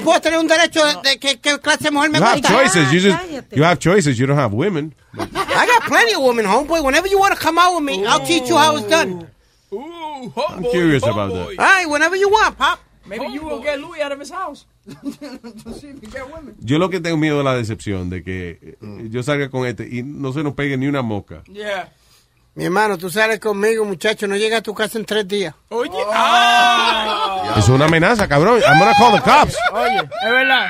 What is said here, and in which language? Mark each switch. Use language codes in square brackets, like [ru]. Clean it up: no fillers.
[es] puedo tener un derecho de que clase de mujer me gusta. [en] You have choices. You have choices. You don't have women. I got plenty of women, homeboy. Whenever you want to come out with me, I'll teach you how it's done. Ooh, homeboy. I'm curious about that. All right, whenever you want, pop. Maybe you will get Louis out of his house. [es] Yo lo que tengo miedo es la decepción de que yo salga con este y no se nos pegue ni una mosca. [en] Yeah. [es] Mi hermano, tú sales conmigo, muchacho. No llegas a tu casa en 3 días. Oye. Oh. Oh. Es una amenaza, cabrón. [en] I'm gonna call the cops. [es] Oye, es verdad.